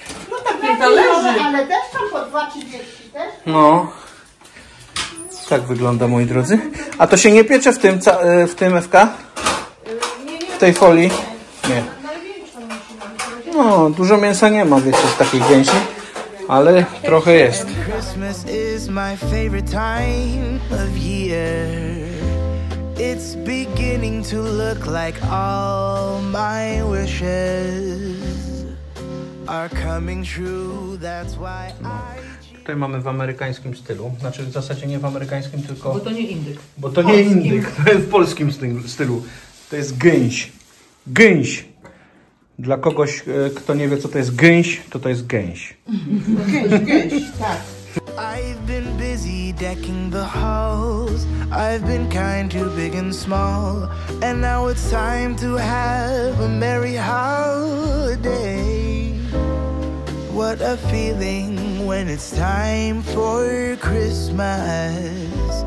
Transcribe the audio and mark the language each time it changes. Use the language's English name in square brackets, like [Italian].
[Polish] No takie to leży. Ale też tam po 2-3 też? No. Tak wygląda, moi drodzy. A to się nie piecze w tym FK? W tej folii? Nie. No, dużo mięsa nie ma, wiecie, z takich gęsi. ale trochę jest. [English] Christmas is my favorite time of year. It's beginning to look like all my wishes are coming true. That's why I... [Polish] Tutaj mamy w amerykańskim stylu, znaczy w zasadzie nie w amerykańskim, tylko... Bo to nie indyk. Bo to polskim. Nie indyk, to jest w polskim stylu. To jest gęś. Gęś! Dla kogoś, kto nie wie, co to jest gęś, to to jest gęś. Gęś, tak. [English] I've been busy decking the halls. I've been kind to big and small. And now it's time to have a merry holiday. What a feeling when it's time for Christmas.